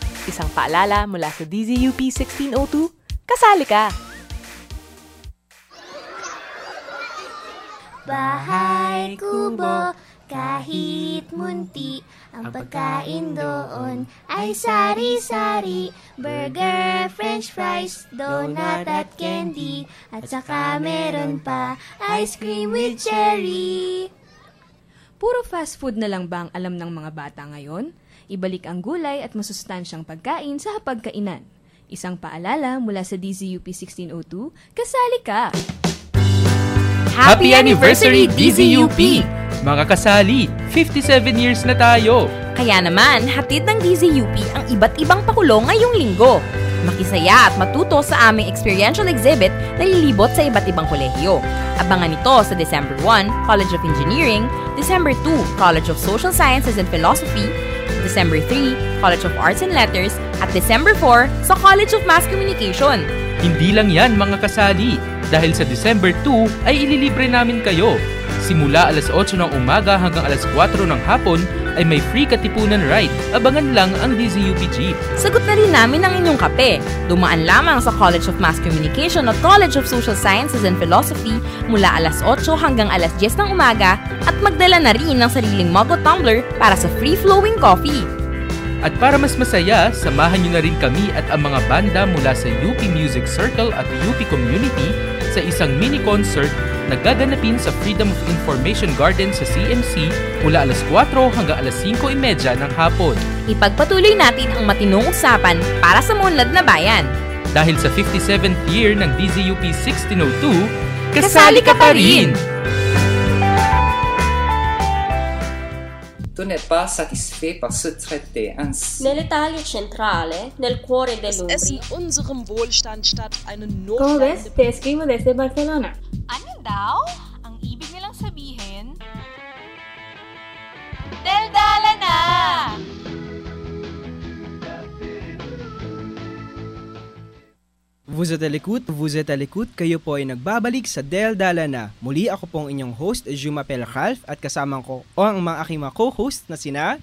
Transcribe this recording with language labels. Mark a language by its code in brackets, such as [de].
[tl] Isang paalala mula sa DZUP 1602, kasali ka! Bahay Kubo, kahit munti, ang pagkain doon ay sari-sari. Burger, french fries, donut at candy, at saka meron pa [en] ice cream with cherry. [tl] Puro fast food na lang ba ang alam ng mga bata ngayon? Ibalik ang gulay at masustansyang pagkain sa pagkainan. Isang paalala mula sa DZUP 1602, kasali ka! [en] Happy anniversary, DZUP! [tl] Mga kasali, 57 years na tayo! Kaya naman, hatid ng DZUP ang iba't ibang pakulo ngayong linggo. Makisaya at matuto sa aming [en] experiential exhibit [tl] na lilibot sa iba't ibang kolehiyo. Abangan ito sa December 1, College of Engineering, December 2, College of Social Sciences and Philosophy, December 3, College of Arts and Letters, at December 4, sa College of Mass Communication. Hindi lang yan, mga kasali! Dahil sa December 2 ay ililibre namin kayo. Simula alas 8 ng umaga hanggang alas 4 ng hapon ay may free katipunan ride. Abangan lang ang DZUP Jeep. Sagot na rin namin ang inyong kape. Dumaan lamang sa College of Mass Communication at College of Social Sciences and Philosophy mula alas 8 hanggang alas 10 ng umaga at magdala na rin ng sariling mug o tumbler para sa [en] free-flowing coffee. [tl] At para mas masaya, samahan nyo na rin kami at ang mga banda mula sa UP Music Circle at UP Community sa isang mini-concert na gaganapin sa Freedom of Information Garden sa CMC mula alas 4 hanggang alas 5.30 ng hapon. Ipagpatuloy natin ang matinong usapan para sa Moonlad na Bayan. Dahil sa 57th year ng DZUP 1602, kasali ka pa rin! [fr] Tu n'es pas satisfait par ce traité ainsi. [it] Nell'Italia centrale, nel cuore dell'Umbria. [de] Es ist in unserem Wohlstand statt eine Notlage. [es] Como ves, te escribo desde Barcelona. [tl] Ano daw? Ang ibig nilang sabihin... Deldala na! [en] Yeah. [fr] Vous êtes à l'écoute. [tl] Kayo po ay nagbabalik sa Del Dala na. Muli ako pong inyong host, Jumapel Ralph, at kasama ko ang mga aking mga co-host na sina